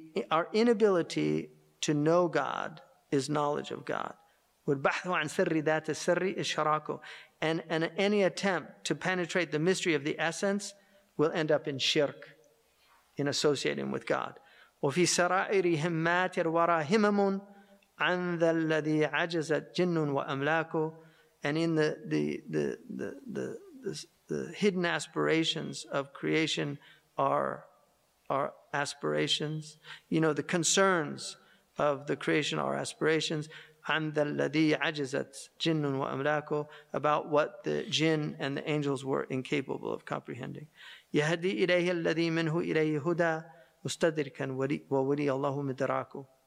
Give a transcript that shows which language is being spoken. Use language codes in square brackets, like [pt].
[en] Our inability to know God is knowledge of God. [ar] والبحث عن سر ذات السر إشراكه. [en] And any attempt to penetrate the mystery of the essence will end up in shirk, in associating with God. [ar] وفي سرائر همات الورى همم عن ذا الذي عجزت جن وأملاكه. [en] and in the hidden aspirations of creation are aspirations. You know, the concerns of the creation are aspirations. [ar] عن الذي عجزت جن وأملاكه, [en] about what the jinn and the angels were incapable of comprehending. [ar] يهدي إليه الذي منه إليه هدى مستدركا وولي الله مدراكه.